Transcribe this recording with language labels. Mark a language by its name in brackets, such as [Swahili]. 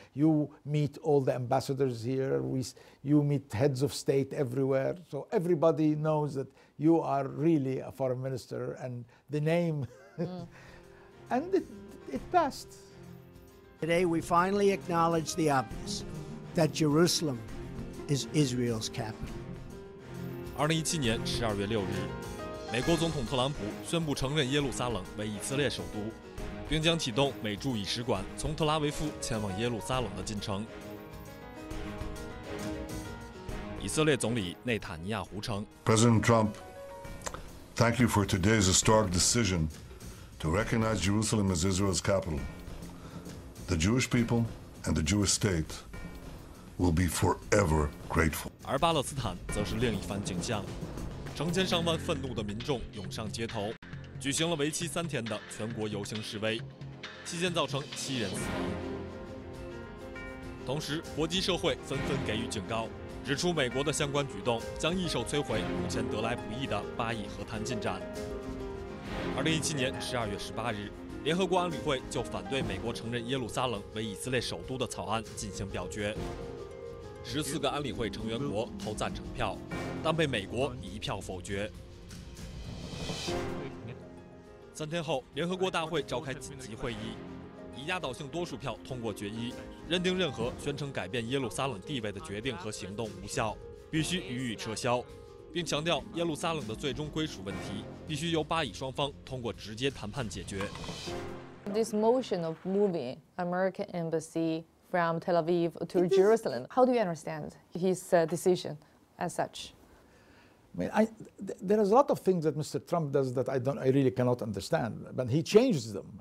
[English] You meet all the ambassadors here. You meet heads of state everywhere. So everybody knows that you are really a foreign minister and the name. And it passed. Today we finally acknowledge the obvious, that Jerusalem is Israel's capital. [Chinese] 2017年12月6日，美国总统特朗普宣布承认耶路撒冷为以色列首都，并将启动美驻以使馆从特拉维夫前往耶路撒冷的进程。以色列总理内塔尼亚胡称 [English] ：“President Trump, thank you for today's historic decision to recognize Jerusalem as Israel's capital. The Jewish people and the Jewish state will be forever grateful.” [Chinese] 而巴勒斯坦则是另一番景象。成千上万愤怒的民众涌上街头，举行了为期3天的全国游行示威，期间造成7人死亡。同时，国际社会纷纷给予警告，指出美国的相关举动将一手摧毁目前得来不易的巴以和谈进展。 2017年12月18日，联合国安理会就反对美国承认耶路撒冷为以色列首都的草案进行表决，14个安理会成员国投赞成票，但被美国一票否决。 3天后，联合国大会召开紧急会议，以压倒性多数票通过决议，认定任何宣称改变耶路撒冷地位的决定和行动无效，必须予以撤销，并强调耶路撒冷的最终归属问题必须由巴以双方通过直接谈判解决。 [English] This motion of moving American embassy from Tel Aviv to Jerusalem, how do you understand his decision as such? I mean, there is a lot of things that Mr. Trump does that I really cannot understand, but he changes them.